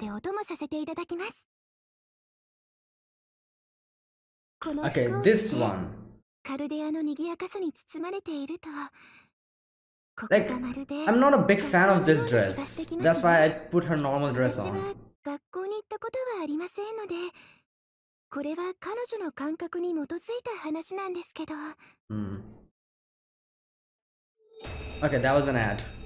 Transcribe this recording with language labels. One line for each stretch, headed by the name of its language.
Japanese: メガミパールバディであり、よりしろの少女でもある。そんな面倒な性質の私ですが、誠心誠意あなたのサーバントとして最後までお供させていただきます。
English: Okay, this one.
Japanese: カルデアの賑やかさに包まれているとは。
English: Like, I'm not a big fan of this dress. That's why I put her normal dress on.
Japanese: 私は学校に行ったことはありませんので、これは彼女の感覚に基づいた話なんですけど。 Mm.
English: Okay, that was an ad.